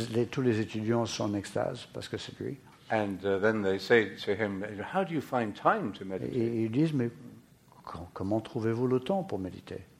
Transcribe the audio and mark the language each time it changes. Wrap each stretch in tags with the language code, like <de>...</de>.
<fr>Tous les étudiants sont en extase parce que c'est lui.</fr> <en>And then they say to him, "How do you find time to meditate?"</en> <fr>Et ils disent, mais comment trouvez-vous le temps pour méditer?</fr>